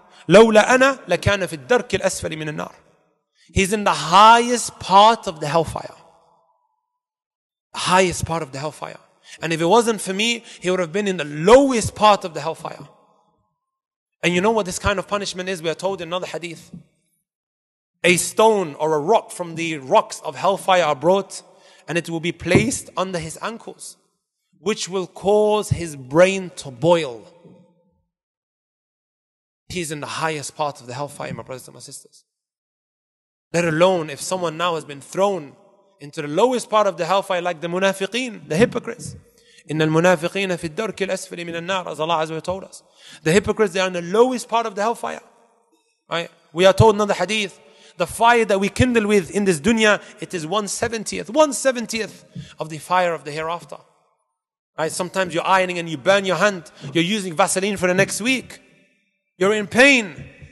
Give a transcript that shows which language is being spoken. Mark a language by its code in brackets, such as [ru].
[ar] لولا أنا لكان في الدرك الأسفل من النار. [en] He's in the highest part of the hellfire. The highest part of the hellfire. And if it wasn't for me, he would have been in the lowest part of the hellfire. And you know what this kind of punishment is? We are told in another hadith. A stone or a rock from the rocks of hellfire are brought and it will be placed under his ankles, which will cause his brain to boil. He's in the highest part of the hellfire, my brothers and my sisters. Let alone if someone now has been thrown into the lowest part of the hellfire like the munafiqeen, the hypocrites. [ar] إن المنافقين في الدرك الأسفل من النار, [en] as Allah Azza told us. The hypocrites, they are in the lowest part of the hellfire. Right? We are told another hadith, the fire that we kindle with in this dunya, it is 1/70th of the fire of the hereafter. Right? Sometimes you're ironing and you burn your hand, you're using Vaseline for the next week. You're in pain.